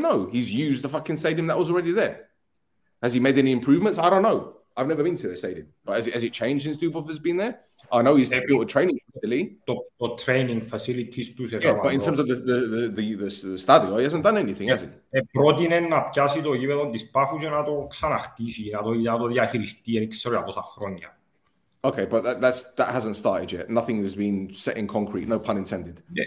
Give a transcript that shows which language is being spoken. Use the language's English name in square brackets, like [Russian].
[English] No, he's used the fucking stadium that was already there. Has he made any improvements? I don't know. I've never been to the stadium. But has it changed since Dubov has been there? I know he's built a training facility. The training facilities. Too, yeah, but in terms of the stadio, he hasn't done anything, has he? [Greek] Πρότεινε να πιάσει το γήπεδο της Πάφου και να το ξαναχτίσει, να το διαχειριστεί, δεν ξέρω για πόσα χρόνια. [English] Okay, but that hasn't started yet. Nothing has been set in concrete, no pun intended.